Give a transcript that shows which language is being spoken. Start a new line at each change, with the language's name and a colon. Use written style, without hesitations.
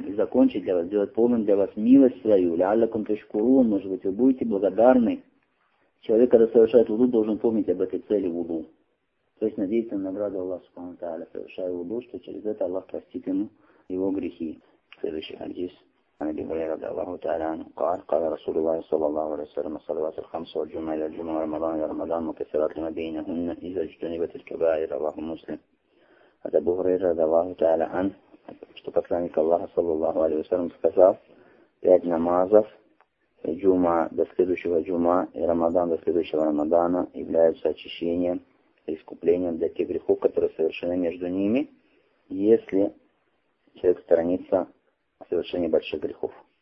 Russian: И закончить для вас, сделать полным для вас милость свою.
Arabic: Ляаллакум ташкурун,
Russian: может быть, вы будете благодарны. Человек, когда совершает вуду, должен помнить об этой цели вуду. То есть надеяться на награду Аллаха Субхану ва Тааля, совершая вуду, что через это Аллах простит ему его грехи. Следующий хадис.
Arabic: عن ابي هريره رضي الله تعالى عنه قال قال رسول الله صلى الله عليه وسلم الصلوات الخمس والجمعه الى الجمعه ورمضان الى رمضان مكثرات لما بينهن اذا اجتنبت الكبائر رواه مسلم
Russian: от Абу Хурейра Аллаху Тааля ан, что посланник Аллаха саллаллаху алейхи ва саллям сказал: пять намазов, джума до следующего джума и рамадан до следующего рамадана являются очищением и искуплением для тех грехов, которые совершены между ними, если человек сторонится совершения больших грехов.